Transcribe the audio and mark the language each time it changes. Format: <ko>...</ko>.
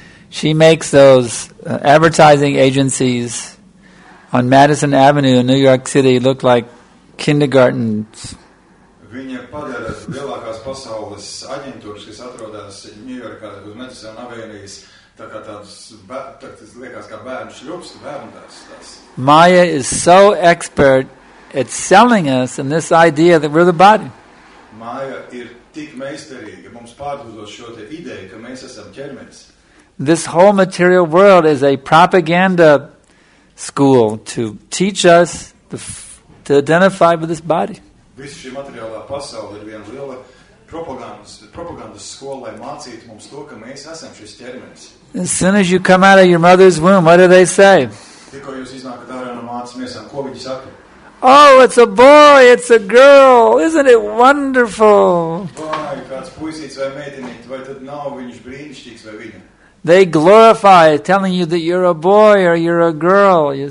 <en>She makes those advertising agencies on Madison Avenue in New York City look like kindergartens.</en> <lv>Viņa padara lielākās pasaules aģentūras, kas atrodas Ņujorkā uz Madison Avenue, tā kā tāds, tas liekas kā bērnu šļups, bērnās.</lv> <en>Maya is so expert at selling us in this idea that we're the body.</en> <lv>Maya ir tik meisterīga mums pārdodot šo te ideju, ka mēs esam ķermenis.</lv> <en>This whole material world is a propaganda school to teach us to identify with this body.</en> <lv>Visa šī materiālā pasaule ir viena liela propagandas skola, lai mācītu mums to, ka mēs esam šis ķermenis.</lv> <en>As soon as you come out of your mother's womb, what do they say?</en> <lv>Tikko jūs iznākat ārā no mātes miesām, ko viņi saka?</lv> <en>Oh, it's a boy, it's a girl, isn't it wonderful?</en> <lv>Vai, kāds puisīts vai meitenīt, vai tad nav viņš brīnišķīgs vai viņa?</lv> <en>They glorify telling you that you're a boy or you're a girl, you</en>